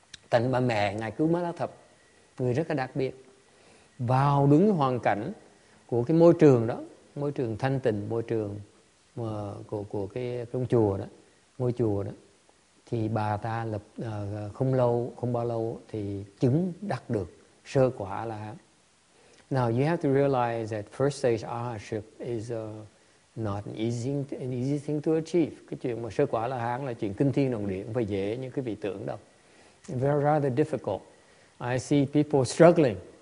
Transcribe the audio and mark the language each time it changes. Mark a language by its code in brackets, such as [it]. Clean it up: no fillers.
[vi] Thành bà mẹ ngài cứu Mala Thập, người rất là đặc biệt, vào đúng hoàn cảnh của cái môi trường đó, môi trường thanh tịnh, môi trường của cái chùa đó, ngôi chùa đó, thì bà ta lập không bao lâu thì chứng đắc được sơ quả là. [en] Now you have to realize that first stage arhatship is not an easy thing to achieve. [vi] Cái chuyện mà sơ quả là hán là chuyện kinh thiên động địa, không phải dễ như quý vị tưởng đâu. [en] Very rather difficult. I see people struggling.